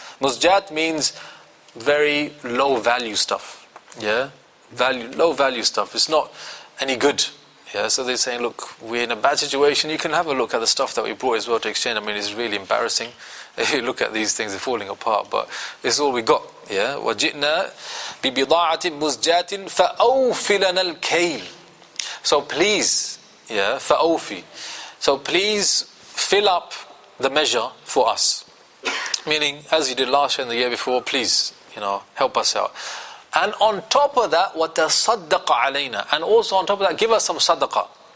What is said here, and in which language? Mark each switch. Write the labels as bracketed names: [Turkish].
[English] Muzjat means very low value stuff, yeah? Low value stuff, it's not any good. Yeah, so they're saying, "Look, we're in a bad situation. You can have a look at the stuff that we brought as well to exchange." I mean, it's really embarrassing. If you look at these things, they're falling apart. But this is all we got. [Arabic] Yeah, وَجِئْنَا بِبِضَاعَةٍ مُزْجَاتٍ فَأَوْفِلَنَا الْكَيْلِ. [English] So please, yeah, فَأَوْفِ. So please fill up the measure for us. Meaning, as you did last year and the year before, please, you know, help us out. And on top of that, [Arabic] وَتَصَدَّقَ عَلَيْنَا. [English] And also on top of that, give us some sadaqah.